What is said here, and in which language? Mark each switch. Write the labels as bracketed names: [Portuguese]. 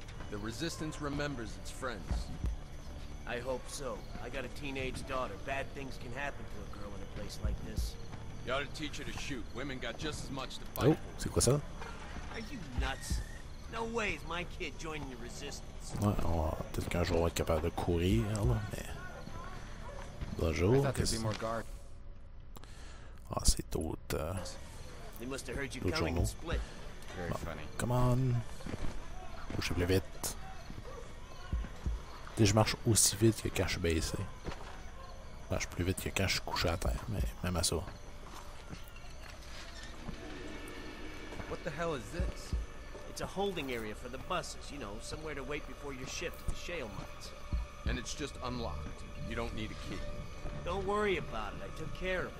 [English] The Resistance remembers its friends. I hope so. I got a teenage daughter. Bad things can happen to a girl in a place like this. You ought to teach her to shoot. Women got just as much to fight [French] for. C'est quoi ça? [English] Are you nuts? No way is my kid joining the Resistance. [French] Ouais, peut-être qu'un jour on va être capable de courir, là, mais... Bonjour, qu'est-ce que c'est? Ah, c'est d'autres... [English] They must have heard you coming and split. Very bon, funny. Come on! [French] Bouge plus vite. T'sais, je marche aussi vite que quand je suis baissé. Je marche plus vite que quand je suis couché à terre, mais même à ça. [English] What the hell is this? It's a holding area for the buses, you know, somewhere to wait before your shift at the shale mines. And it's just unlocked. You don't need a key. Don't worry about it. I took care of it.